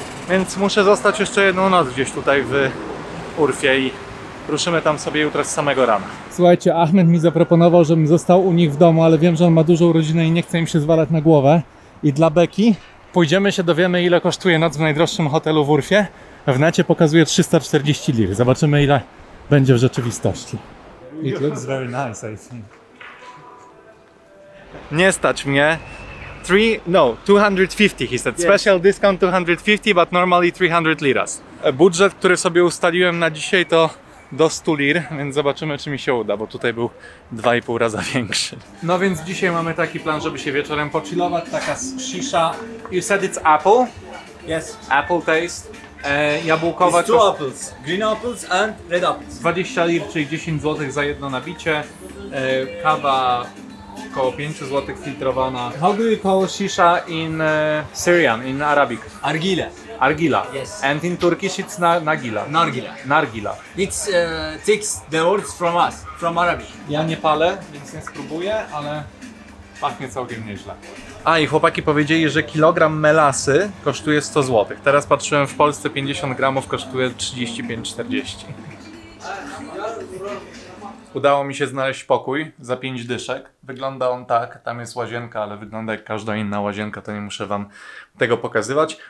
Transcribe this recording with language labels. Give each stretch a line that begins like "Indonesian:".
Polish: Więc muszę zostać jeszcze jedną noc gdzieś tutaj w Urfie i ruszymy tam sobie jutro z samego rana. Słuchajcie, Ahmed mi zaproponował, żebym został u nich w domu, ale wiem, że on ma dużą rodzinę i nie chce im się zwalać na głowę. I dla Beki pójdziemy się, dowiemy, ile kosztuje noc w najdroższym hotelu w Urfie. W necie pokazuje 340 lir. Zobaczymy, ile będzie w rzeczywistości.
English: It looks very nice, I think.
Polish: Nie stać mnie. 250,
English: he said. Yes. Special discount 250, but normally 300 liras.
Polish: Budżet, który sobie ustaliłem na dzisiaj, to do 100 lir, więc zobaczymy, czy mi się uda, bo tutaj był 2,5 raza większy. No więc dzisiaj mamy taki plan, żeby się wieczorem pochillować, taka shisha.
English: You said it's apple? Yes. Apple taste.
Polish: Jabłkowa.
English: It's two apples. Green apples and red apples.
Polish: 20 lir, czyli 10 zł za jedno nabicie. Kawa. Około 5 zł filtrowana.
English: How do you call shisha in Syrian, in Arabic? Argile. Argila. Yes. And in Turkish it's nargila. Nargila. Nargila. It takes the words from us, from Arabic.
Polish: Ja nie palę, więc nie spróbuję, ale pachnie całkiem nieźle. A i chłopaki powiedzieli, że kilogram melasy kosztuje 100 zł. Teraz patrzyłem, w Polsce 50 gramów kosztuje 35-40. Udało mi się znaleźć pokój za 5 dyszek. Wygląda on tak, tam jest łazienka, ale wygląda jak każda inna łazienka, to nie muszę wam tego pokazywać.